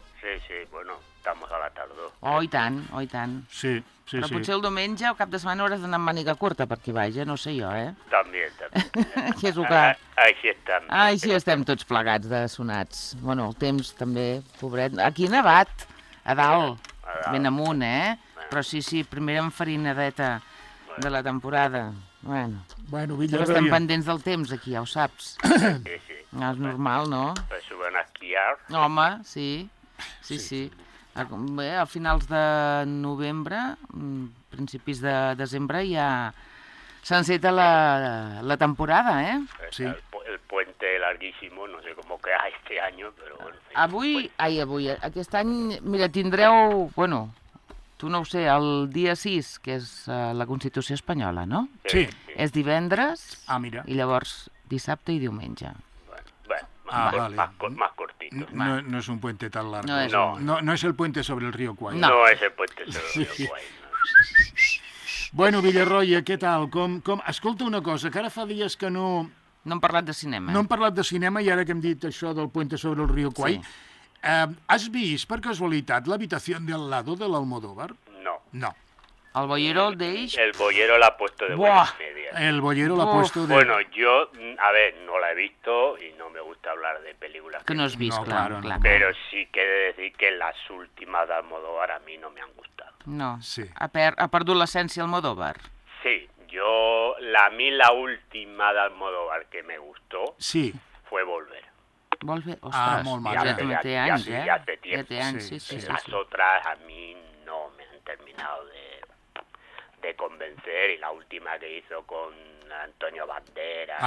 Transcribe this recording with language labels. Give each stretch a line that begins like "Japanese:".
Catalan: Sí, sí, bueno, estamos a la tardor. Oh, i tant, oh, i tant. Sí, sí, però sí. Però potser el diumenge o cap de setmana hauràs d'anar amb màniga curta per aquí baix, no sé jo, eh? També, també. Així és el clar. Així estem. Així estem tots plegats de sonats. Bueno, el temps també, pobret. Aquí ha nevat, a dalt. Ben amunt, eh? Però sí, sí, primera enfarinadeta de la temporada. Bueno, bueno, Villarroya. Estem pendents del temps, aquí, ja ho saps. Sí, sí. No, és normal, no? Per això van a esquiar. Home, sí. Sí, sí, sí, sí. Bé, a finals de novembre, principis de desembre, ja s'enceta la temporada, eh? Sí.
Spanish: El puente larguísimo, no sé cómo queda este año, pero bueno.
Catalan: Avui, ai, avui, aquest any, mira, tindreu, bueno... Tu no ho sé, el dia 6, que és la Constitució espanyola, no? Sí, sí. És divendres. Ah, mira. I llavors dissabte i diumenge.
Spanish: Bueno, bueno, más cortito.
Catalan: No és un
Spanish: puente tan largo.
Catalan: No, és... no és el puente sobre el río Kwai. No, no és el puente sobre el río Kwai. No. Bueno, Villarroya, què tal? Com... Escolta una cosa, que ara fa dies que no... No hem parlat de cinema. No hem parlat de cinema i ara que hem dit això del puente sobre el río Kwai... Sí. Has vist, per casualitat, l'habitació del lado de l'Almodóvar? No. No. El boyero el deix...
Spanish: El boyero l'ha puesto de buenas medias. El boyero l'ha puesto de... Bueno, yo, a ver, no la he visto y no me gusta hablar de películas. Que no has visto, no, claro, no, claro. Pero sí que he de decir que las últimas de Almodóvar a mí no me han gustado. No. Sí.
Catalan: Ha perdut l'essència Almodóvar? Sí.
Spanish: Yo, la, a mí la última de Almodóvar que me gustó... Sí. Fue Volver.
Catalan: Volver, ostres, ah, molt mal, ja té anys, eh? Ja té temps. Ja té anys, sí, sí. Les altres a mi
Spanish: no me han terminado de convencer y la última que hizo con Antonio Banderas...